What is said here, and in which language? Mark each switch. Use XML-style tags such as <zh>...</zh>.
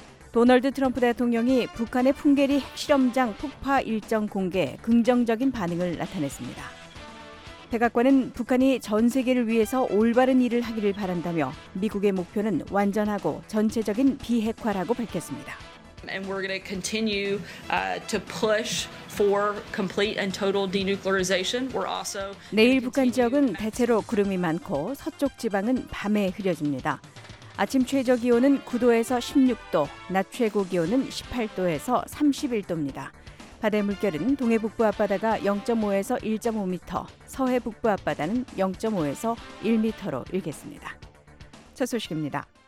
<ko>도널드 트럼프 대통령이 북한의 풍계리 핵실험장 폭파 일정 공개에 긍정적인 반응을 나타냈습니다. 백악관은 북한이 전 세계를 위해서 올바른 일을 하기를 바란다며 미국의 목표는 완전하고 전체적인 비핵화라고 밝혔습니다.</ko> <en>And we're going to continue to push for complete and total denuclearization. We're also</en> <ko>내일 북한 지역은 대체로 구름이 많고 서쪽 지방은 밤에 흐려집니다. 아침 최저 기온은 9도에서 16도, 낮 최고 기온은 18도에서 31도입니다. 바다의 물결은 동해 북부 앞바다가 0.5에서 1.5m, 서해 북부 앞바다는 0.5에서 1m로 일겠습니다. 첫 소식입니다.</ko>